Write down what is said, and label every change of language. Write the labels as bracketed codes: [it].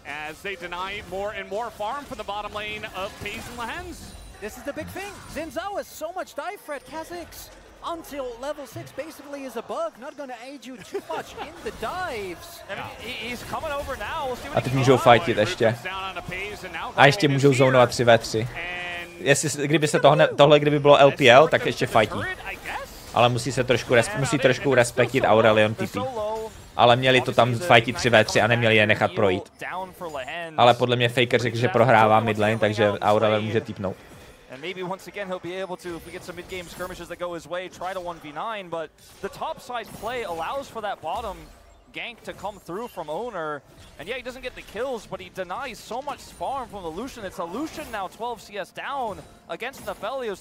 [en] As they deny more and more farm for the bottom lane of Paze and Lehens. This is the big thing. Xin Zhao has so much dive threat. Kha'Zix until level 6 basically is a bug. Not going to aid you too much in the dives. Yeah. He's coming over now. We'll see what [cs] a teď můžou fightit ještě. A ještě můžou zónovat 3v3. Jestli, kdyby se tohle, kdyby bylo LPL, tak ještě fightí. Ale musí se trošku, trošku respektit Aurelion TP. Ale měli to tam fightit 3v3 a neměli je nechat projít. Ale podle mě Faker řekl, že prohrává midlane, takže Aurelion může týpnout. [en] And maybe once again he'll be able to, if we get some mid-game skirmishes that go his way, try to 1v9, but the top side play allows for that bottom gank to come through from Owner. And yeah, he doesn't get the kills, but he denies so much farm from the Lucian. It's a Lucian now 12 CS down against Nefelius.